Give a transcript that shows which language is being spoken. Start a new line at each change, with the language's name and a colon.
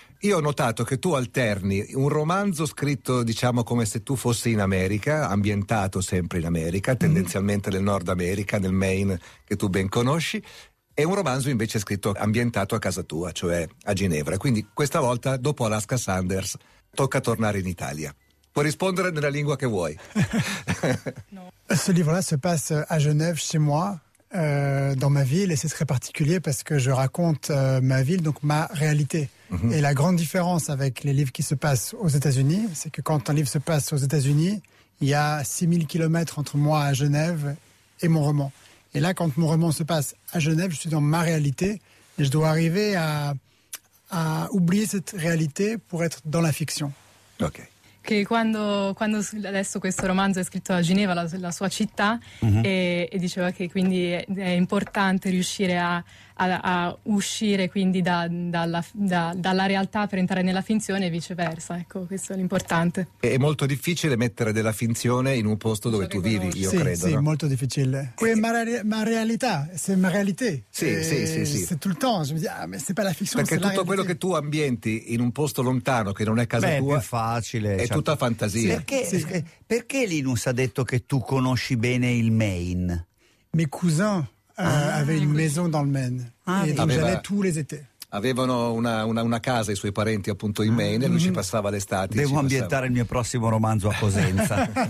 Italian: Io ho notato che tu alterni un romanzo scritto, diciamo, come se tu fossi in America, ambientato sempre in America, tendenzialmente nel Nord America, nel Maine, che tu ben conosci, e un romanzo invece scritto ambientato a casa tua, cioè a Ginevra. Quindi questa volta, dopo Alaska Sanders, tocca tornare in Italia. Puoi rispondere nella lingua che vuoi.
French: Ce livre-là se passe a Genève, chez moi. Dans ma ville, et c'est très particulier parce que je raconte ma ville, donc ma réalité. Mm-hmm. Et la grande différence avec les livres qui se passent aux États-Unis, c'est que quand un livre se passe aux États-Unis, il y a 6000 kilomètres entre moi à Genève et mon roman. Et là, quand mon roman se passe à Genève, je suis dans ma réalité et je dois arriver à oublier cette réalité pour être dans la fiction.
Italian: Ok. Che quando adesso questo romanzo è scritto a Ginevra, la sua città, mm-hmm. e diceva che quindi è importante riuscire a uscire quindi dalla realtà per entrare nella finzione e viceversa, ecco, questo è l'importante. È molto difficile mettere della finzione in un posto dove tu vivi, io sì, credo. Sì, no? Molto difficile. Qui è ma realtà, c'è ma realtà. Sì, sì, sì, sì. C'è tutto il temps, mi dico, ah, ma c'è
French: pas la fiction.
Italian: Perché tutto quello che tu ambienti in un posto lontano che non è casa tua è facile. È certo. Tutta fantasia. Perché Linus ha detto che tu conosci bene il Maine?
French: Mes cousins avaient une maison dans le Maine. Ah, et donc j'allais tous les étés.
Italian: Avevano una casa i suoi parenti appunto in Maine, mm-hmm. E lui ci passava l'estate. Devo ambientare il mio prossimo romanzo a Cosenza.